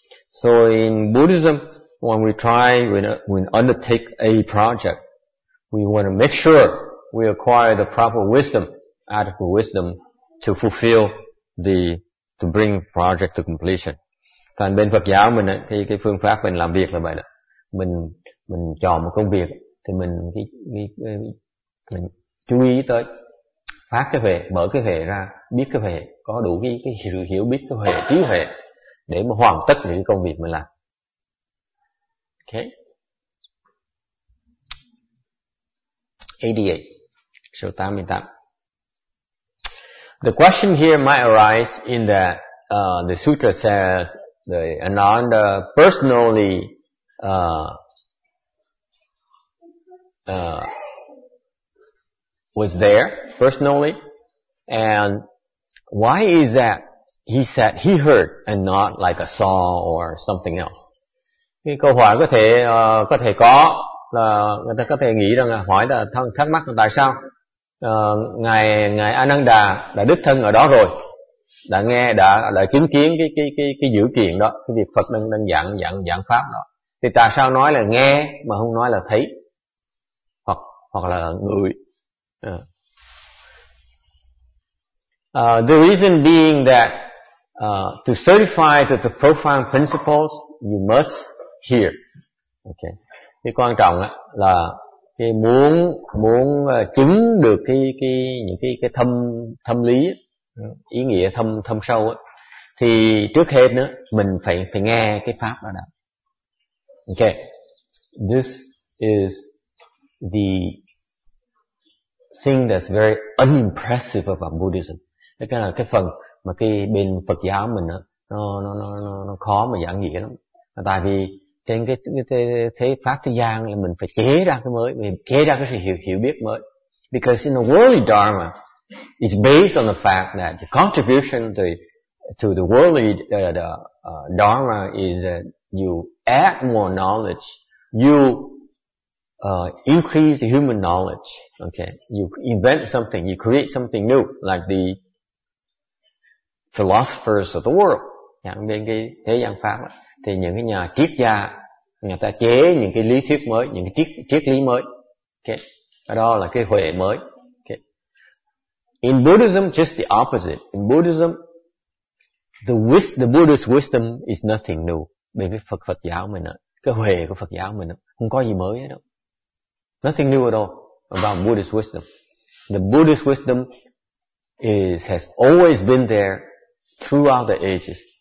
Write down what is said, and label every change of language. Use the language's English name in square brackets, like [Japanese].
[English] So in Buddhism, when we try, when undertake a project, we want to make sure we acquire the proper wisdom, adequate wisdom to fulfill to bring project to completion. [Vietnamese] Còn bên Phật giáo mình cái phương pháp mình làm việc là vậy đó. Mình chọn một công việc thì mình chú ý tới phát cái huệ, mở cái huệ ra, biết cái huệ, có đủ cái hiểu, hiểu biết cái huệ, trí huệ để mà hoàn tất những công việc mình làm. [English] Okay. [Vietnamese] 88. Số 88. [English] The question here might arise in that the sutra says the Ananda personally was there personally, and why is that? He said he heard and not like a saw or something else. [Vietnamese] Cái câu hỏi có thể có là người ta có thể nghĩ rằng là hỏi là thắc mắc là tại sao ngài Ananda đã đích thân ở đó rồi, đã nghe, đã chứng kiến cái dữ kiện đó, cái việc Phật đang giảng pháp đó, thì tại sao nói là nghe mà không nói là thấy hoặc là ngửi. [English] The reason being that to certify that the profound principles you must hear. Okay. [Vietnamese] Cái quan trọng á là cái muốn chứng được cái thâm lý, ý nghĩa thâm sâu á, thì trước hết nữa mình phải nghe cái pháp đó đã. [English] Okay. This is the thing that's very unimpressive about Buddhism. [Vietnamese] Đó là cái phần mà cái bên Phật giáo mình á nó khó mà giảng nghĩa lắm. Tại vì trên cái thế pháp thế gian là mình phải chế ra cái mới, mình chế ra cái sự hiểu biết mới. [English] Because in the worldly dharma, it's based on the fact that the contribution to the worldly dharma is that you add more knowledge, you increase the human knowledge. Okay, you invent something, you create something new, like the philosophers of the world. [Vietnamese] Chẳng bên cái thế gian pháp đó, thì những cái nhà triết gia người ta chế những cái lý thuyết mới, những cái triết lý mới. Okay. Đó là cái huệ mới. Okay. [English] In Buddhism, just the opposite. In Buddhism, the Buddha's wisdom is nothing new. [Vietnamese] Bên cái Phật giáo mình đó, cái huệ của Phật giáo mình đó, không có gì mới hết đâu. [English] Nothing new at all about Buddhist wisdom. The Buddhist wisdom has always been there throughout the ages.